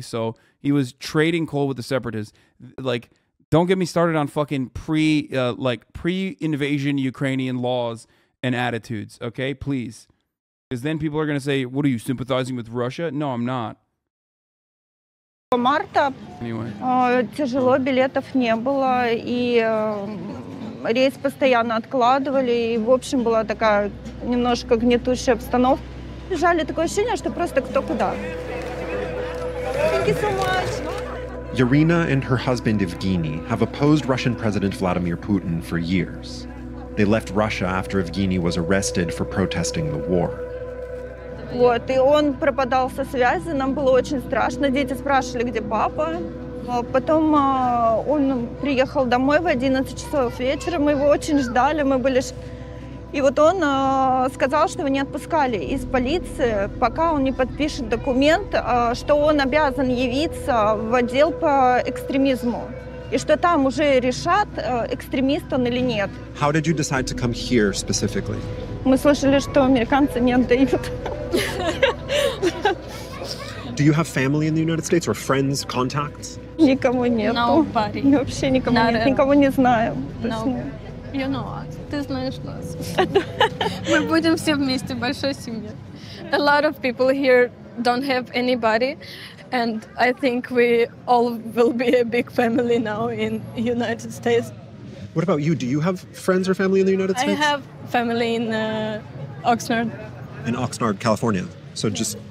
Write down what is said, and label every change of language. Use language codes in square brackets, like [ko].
[en] So he was trading coal with the separatists. Like, don't get me started on fucking pre-invasion Ukrainian laws and attitudes, okay? Please. Because then people are going to say, what are you, sympathizing with Russia? No, I'm not. [ru] Марта. [en] Anyway. [ru] Тяжело, билетов не было, и... Рейс постоянно откладывали, и, в общем, была такая немножко гнетущая обстановка. Жаль, такое ощущение, что просто кто куда. [en] Thank you so much. Ирина and her husband Evgeny have opposed Russian President Vladimir Putin for years. They left Russia after Evgeny was arrested for protesting the war. [ru] Вот, и он пропадал со связи, нам было очень страшно, дети спрашивали, где папа. Потом он приехал домой в 11 часов вечера, мы его очень ждали, мы были... И вот он сказал, что его не отпускали из полиции, пока он не подпишет документ, что он обязан явиться в отдел по экстремизму. И что там уже решат, экстремист он или нет. [en] How did you decide to come here specifically? [ru] Мы слышали, что американцы не отдают. [en] Do you have family in the United States or friends, contacts? [ru] Никого нету. [en] Nobody. [ru] Вообще никого not нет. Никого не знаю. [en] No. You know us. [ru] Ты знаешь нас. Мы будем все вместе, большой семьей. [en] A lot of people here don't have anybody, and I think we all will be a big family now in United States. What about you? Do you have friends or family in the United States? I have family in Oxnard. In Oxnard, California. So just...